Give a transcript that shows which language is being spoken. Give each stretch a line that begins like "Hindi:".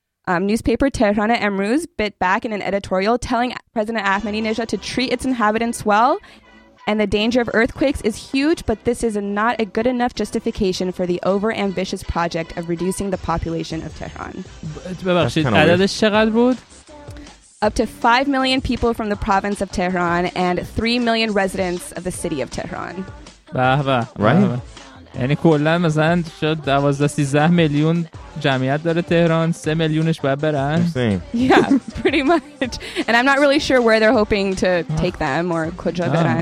English: Newspaper Tehrana Emruz bit back in an editorial telling President Ahmadinejad to treat its inhabitants well, and the danger of earthquakes is huge, but this is not a good enough justification for the over-ambitious project of reducing the population of Tehran. Up to 5 million people from the province of Tehran and 3 million residents of the city of Tehran. Right?
Persian: یعنی کلا مثلا شد 12-13 میلیون جمعیت داره تهران، 3 میلیونش باید برن.
English: Yeah, pretty much. And I'm not really sure where they're hoping to take them or
Persian: کجا برن.